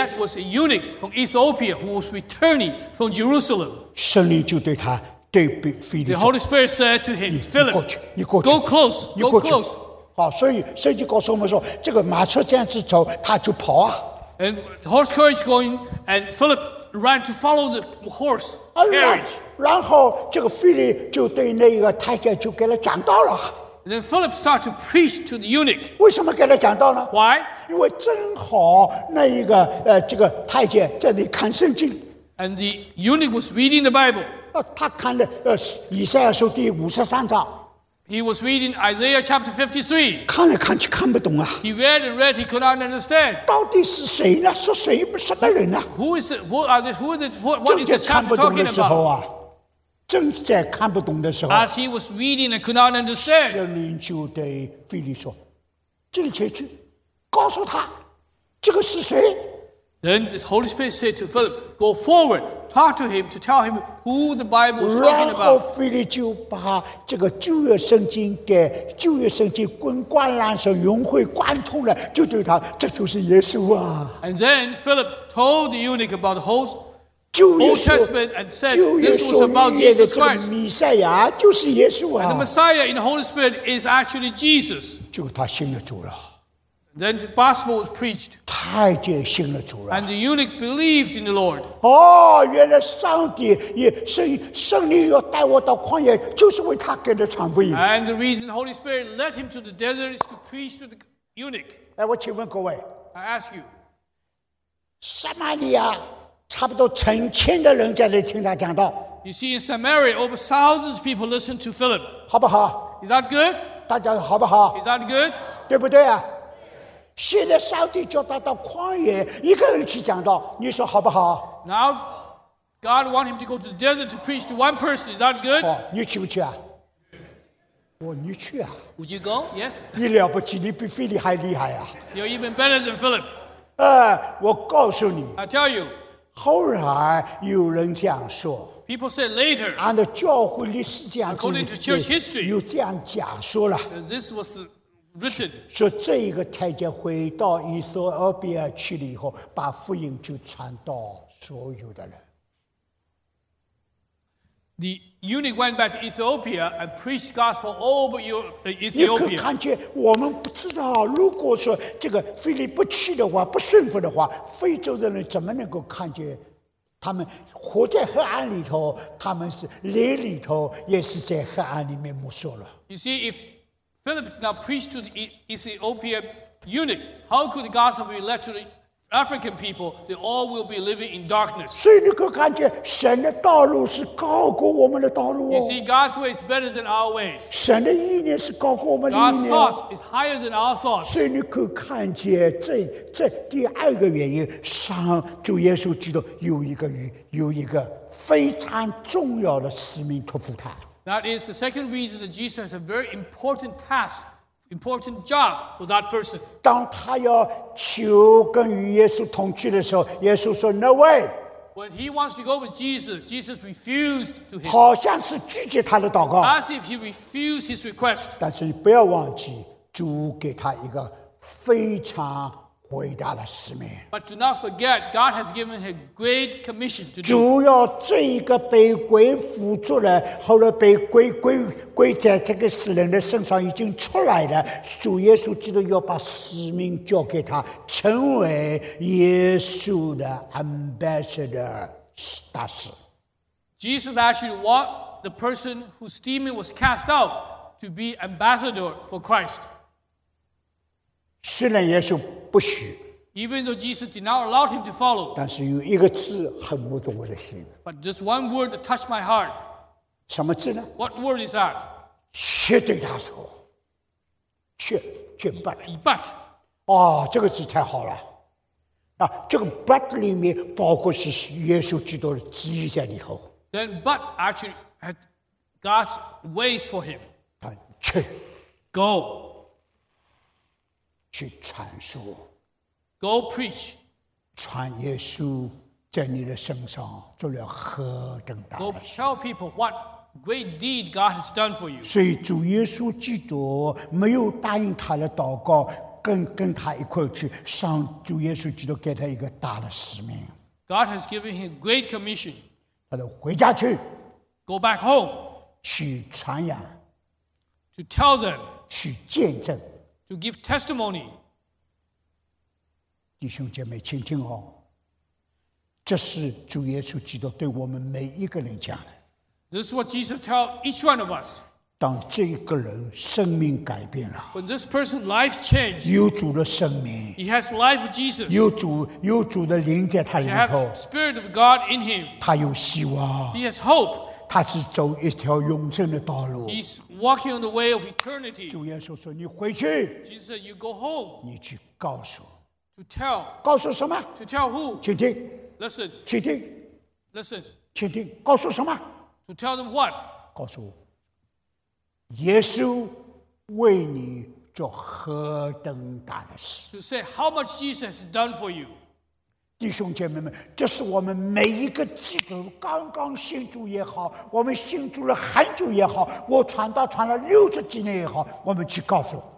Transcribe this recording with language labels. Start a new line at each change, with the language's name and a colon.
English: Yet was a eunuch from Ethiopia who was returning from Jerusalem.
Chinese: 圣灵就对他对腓力说。
English: The Holy Spirit said to him, Philip,
Chinese: 你过去
English: go close,
Chinese: 你过去。好，所以圣经告诉我们说，这个马车这样子走，他就跑啊。
English: And the horse carriage going, and Philip ran to follow the horse carriage.
Chinese: 然后这个腓力就对那个太监就给他讲道了。
English: And then Philip started to preach to the eunuch.
Chinese: 为什么给他讲道呢？
English: Why?
Chinese: 因为正好那一个这个太监在那看圣经。
English: And the eunuch was reading the Bible.
Chinese: 他看了以赛亚书第五十三章。
English: He was reading Isaiah chapter 53.
Chinese: 看来看去看不懂啊。
English: He read and read, he could not understand.
Chinese: 到底是谁呢？说谁？什么人呢？
English: Who is it? What is the chapter talking about?
Chinese: 正在看不懂的时候
English: ，As he was reading and could not understand，
Chinese: 圣灵就对腓力说：“进前去，告诉他，这个是谁。”
English: Then the Holy Spirit said to Philip, "Go forward, talk to him to tell him who the Bible is talking about."
Chinese: 然后腓力就把这个旧约圣经给旧约圣经滚瓜烂熟融会贯通了，就对他，这就是耶稣啊。
English: And then Philip told the eunuch about the host. Old Testament and said this was about Jesus Christ.
Chinese: 弥赛亚就是耶稣啊。
English: And the Messiah in the Holy Spirit is actually Jesus.
Chinese: 就他信了主了。
English: Then the gospel was preached.
Chinese: 太监信了主了。
English: And the eunuch believed in the Lord.
Chinese: 哦，原来上帝也圣灵要带我到旷野，就是为他给他传福音。
English: And the reason the Holy Spirit led him to the desert is to preach to the eunuch.
Chinese: 哎，我请问各位。
English: I ask you.
Chinese: 撒玛利亚。差不多成千的人在来听他讲道。
English: You see, in Samaria, over thousands of people listen to Philip.
Chinese: 好不好
English: ？Is that good?
Chinese: 大家好不好
English: ？Is that good?
Chinese: 对不对啊？现在上帝叫他到旷野一个人去讲道，你说好不好
English: ？Now, God wants him to go to the desert to preach to one person. Is that good?
Chinese: 好，你去不去啊？我，你去啊
English: ？Would you go? Yes.
Chinese: 你了不起，你比腓力还厉害啊
English: ！You're even better than Philip.
Chinese: 我告诉你。
English: I tell you.
Chinese: 后来有人这样说
English: ，People said later，
Chinese: 按照教会历史这样子
English: ，According to church history，
Chinese: 又这样假说了
English: ，This was written，
Chinese: 说这一个太监回到以色列去了以后，把福音就传到所有的人。
English: The eunuch went back to Ethiopia and preached gospel over Ethiopia.
Chinese: 你可看见我们不知道，如果说这个腓力不去的话，不顺服的话，非洲的人怎么能够看见他们活在黑暗里头？他们是雷里头，也是在黑暗里面摸索了。
English: You see, if Philip did not preach to the Ethiopia eunuch, how could the gospel be led to the African people, they all will be living in darkness.
Chinese: 所以你可看见神的道路是高过我们的道路哦。
English: You see, God's way is better than our way.
Chinese: 神的意念是高过我们的意念。
English: God's thought is higher than our thought.
Chinese: 所以你可看见这第二个原因，上主耶稣基督有一个非常重要的使命托付他。
English: That is the second reason that Jesus has a very important task. Important job for that person.
Chinese: 当他要求跟与耶稣同去的时候，耶稣说 ：
English: “No way.” When he wants to go with Jesus, Jesus refused to him.
Chinese: 好像是拒绝他的祷告。
English: As if he refused his request.
Chinese: 但是你不要忘记，主给他一个非常伟大的使命。
English: But do not forget, God has given him a great commission to do.
Chinese: 主要这一个被鬼附住了，后来被鬼在这个死人的身上已经出来了。主耶稣基督要把使命交给他，成为耶稣的 ambassador 大使。
English: Jesus actually wanted the person whose demon was cast out to be ambassador for Christ.
Chinese: 虽然耶稣不许
English: ，even though Jesus did not allow him to follow，
Chinese: 但是有一个字很摸着我的心。
English: But just one word touched my heart。
Chinese: 什么字呢
English: ？What word is that？
Chinese: 却对他说，却 but。
English: But，
Chinese: 哦，这个字太好了。啊，这个 but 里面包括是耶稣基督的旨意在里头。
English: Then but actually had God's ways for him。
Chinese: 但却
English: ，go。
Chinese: 去传说
English: ，Go preach，
Chinese: 传耶稣在你的身上做了何等大的事。
English: Go tell people what great deed God has done for you。
Chinese: 所以主耶稣基督没有答应他的祷告，跟他一块去，上主耶稣基督给他一个大的使命。
English: God has given him great commission。
Chinese: 他说回家去
English: ，Go back home，
Chinese: 去传扬
English: ，To tell them，
Chinese: 去见证。
English: To give testimony.
Chinese: 弟兄姐妹请听哦，这是主耶稣基督对我们每一个人讲的。
English: This is what Jesus tells each one of us.
Chinese: 当这个人生命改变了，
English: When this person's life changed,
Chinese: 有主的生命，
English: He has life of Jesus.
Chinese: 有主的灵在他里头，
English: He has the spirit of God in him.
Chinese: 他有希望，
English: He has hope.
Chinese: 他是走一条永生的道路。
English: Walking on the way of eternity.
Chinese: 主耶稣说：“你回去。”
English: Jesus said, "You go home."
Chinese: 你去告诉。
English: To tell.
Chinese: 告诉什么
English: ？To tell who?
Chinese: 请听。
English: Listen.
Chinese: 请听。
English: Listen.
Chinese: 请听。告诉什么
English: To tell them what?
Chinese: 告诉我，耶稣为你做何等大的事。
English: To say how much Jesus has done for you.
Chinese: 弟兄姐妹们，这是我们每一个基督徒刚刚信主也好，我们信主了很久也好，我传道传了六十几年也好，我们去告诉。